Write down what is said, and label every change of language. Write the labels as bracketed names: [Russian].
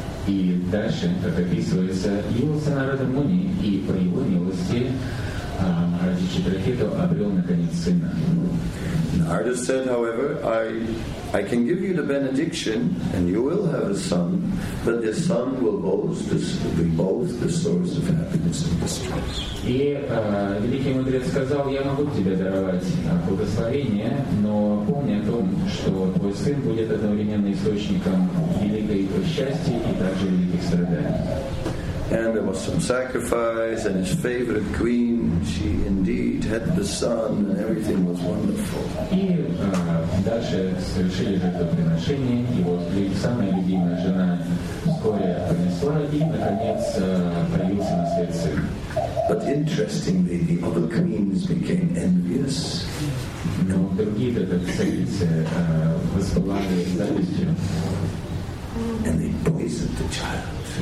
[Russian] И дальше, как описывается, явился Нарада Муни, и по его милости Махараджа Читракету обрел наконец сына. [English] Нарада said, however, I can give you the benediction, and you will have a son, but this son will be both the source of happiness and distress. [Russian] И великий мудрец сказал, я могу тебе даровать благословение, но помни о том, что твой сын будет одновременно источником великого счастья и также великих страданий. [English] And there was some sacrifice, and his favorite queen, she indeed had the son, and everything was wonderful. [Russian] И дальше совершили жертвоприношение, его самая любимая жена вскоре принесла, и, наконец, появился на свет сын. [English] But interestingly, the other queens became envious. [Russian] Но другие, так сказать, воспылали завистью. [English] And they poisoned the child.